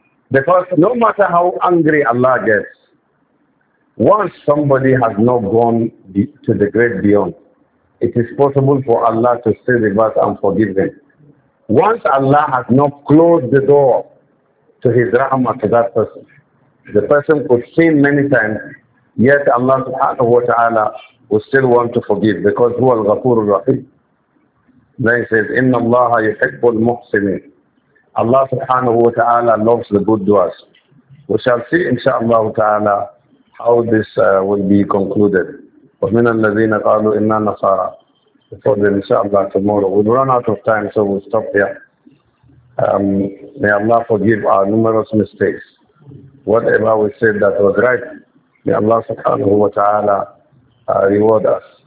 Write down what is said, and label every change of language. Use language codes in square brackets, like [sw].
[en] Because no matter how angry Allah gets, once somebody has not gone to the great beyond, it is possible for Allah to stay with us and forgive them. Once Allah has not closed the door to his rahmah to that person, the person could sin many times, yet Allah [ar] subhanahu wa ta'ala [en] will still want to forgive, because [ar] هو الغفور الرحيم. [en] Then he says, [ar] إِنَّ اللَّهَ يُحِبُّ الْمُحْسِنِينَ. [en] Allah [ar] subhanahu wa ta'ala [en] loves the good doers. We shall see insha'Allah ta'ala how this will be concluded. [ar] وَمِنَ الَّذِينَ قَالُوا إِنَّا نَصَارَى. [en] Before then, insha'Allah, tomorrow. We'll run out of time, so we'll stop here. May Allah forgive our numerous mistakes. Whatever we said that was right, may Allah [ar] subhanahu wa ta'ala [en] reward us.